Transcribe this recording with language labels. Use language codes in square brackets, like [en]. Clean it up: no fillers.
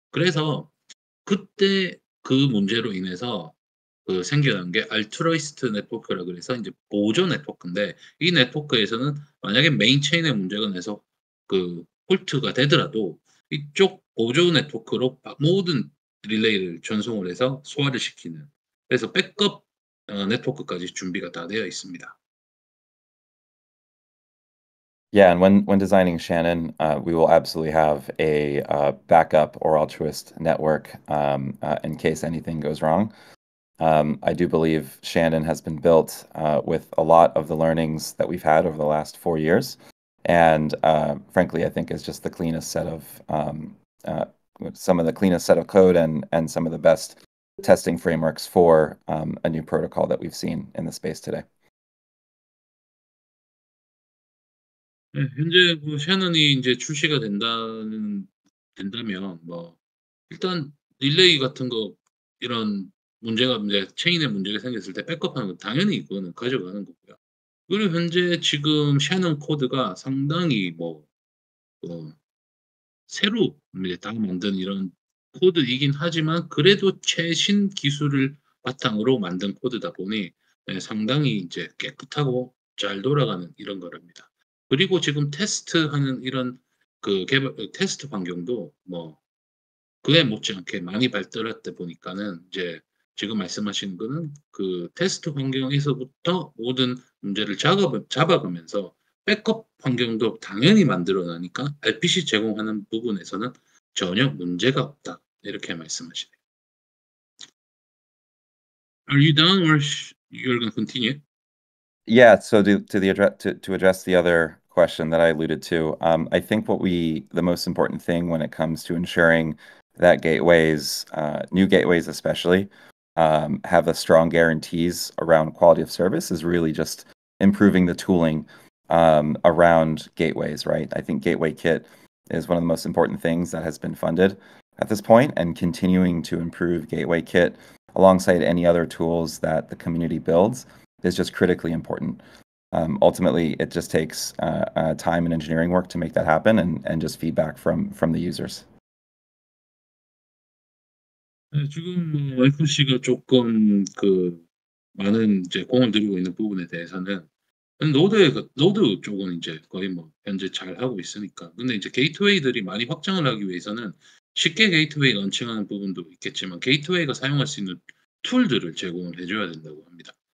[ko] 그래서 그때 그 문제로 인해서 그 생겨난 게 알트루이스트 네트워크라고 해서 이제 보조 네트워크인데 이 네트워크에서는 만약에 메인 체인에 문제가 나서 그 홀트가 되더라도 이쪽 보조 네트워크로 모든 릴레이를 전송을 해서 소화를 시키는 그래서 백업 네트워크까지 준비가 다 되어 있습니다. [en] Yeah, and when designing Shannon, we will absolutely have a backup or altruist network in case anything goes wrong. I do believe Shannon has been built with a lot of the learnings that we've had over the last 4 years. And frankly, I think it's just the cleanest set of, some of the cleanest set of code and some of the best testing frameworks for a new protocol that we've seen in the space today. [ko] 현재 뭐 샤넌이 이제 출시가 된다면 뭐 일단 릴레이 같은 거 이런 문제가 이제 체인에 문제가 생겼을 때 백업하는 건 당연히 이거는 가져가는 거고요. 그리고 현재 지금 샤넌 코드가 상당히 뭐 새로 이제 다 만든 이런 코드이긴 하지만 그래도 최신 기술을 바탕으로 만든 코드다 보니 상당히 이제 깨끗하고 잘 돌아가는 이런 거랍니다. 그리고 지금 테스트하는 이런 그 개발 테스트 환경도 뭐 그에 못지않게 많이 발달했다 보니까는 이제 지금 말씀하시는 거는 그 테스트 환경에서부터 모든 문제를 잡아가면서 백업 환경도 당연히 만들어 놔니까 RPC 제공하는 부분에서는 전혀 문제가 없다. 이렇게 말씀하시네요. [en] Are you done or you're going to continue? Yeah, so to address the other question that I alluded to, I think what we the most important thing when it comes to ensuring that gateways, new gateways especially, have the strong guarantees around quality of service is really just improving the tooling around gateways, right? I think Gateway Kit is one of the most important things that has been funded at this point, and continuing to improve Gateway Kit alongside any other tools that the community builds is just critically important. Ultimately, it just takes time and engineering work to make that happen, and just feedback from the users. [ko] 지금 뭐 FC가 조금 그 많은 이제 공을 들이고 있는 부분에 대해서는 노드 쪽은 이제 거의 뭐 현재 잘 하고 있으니까. 근데 이제 게이트웨이들이 많이 확장을 하기 위해서는 쉽게 게이트웨이 런칭하는 부분도 있겠지만 게이트웨이가 사용할 수 있는 툴들을 제공을 해줘야 된다고 합니다.